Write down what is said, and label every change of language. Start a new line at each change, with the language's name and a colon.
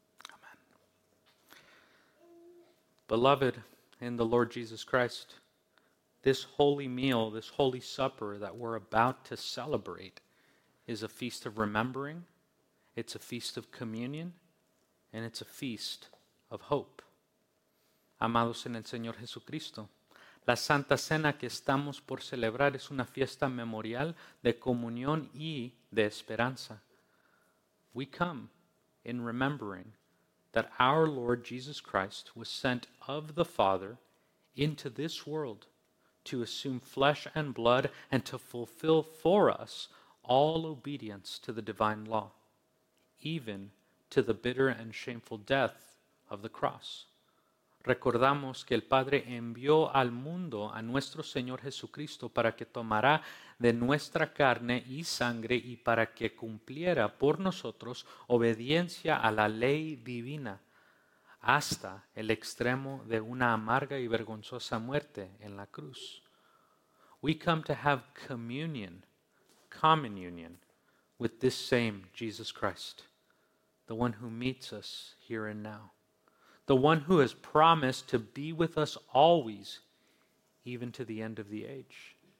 English: Amen. Beloved in the Lord Jesus Christ, this holy meal, this holy supper that we're about to celebrate is a feast of remembering, it's a feast of communion, and it's a feast of hope.
Spanish: Amados en el Señor Jesucristo, la Santa Cena que estamos por celebrar es una fiesta memorial de comunión y de esperanza.
English: We come in remembering that our Lord Jesus Christ was sent of the Father into this world to assume flesh and blood and to fulfill for us all obedience to the divine law, even to the bitter and shameful death of the cross.
Spanish: Recordamos que el Padre envió al mundo a nuestro Señor Jesucristo para que tomara de nuestra carne y sangre y para que cumpliera por nosotros obediencia a la ley divina hasta el extremo de una amarga y vergonzosa muerte en la cruz.
English: We come to have communion, common union, with this same Jesus Christ, the one who meets us here and now. The one who has promised to be with us always, even to the end of the age.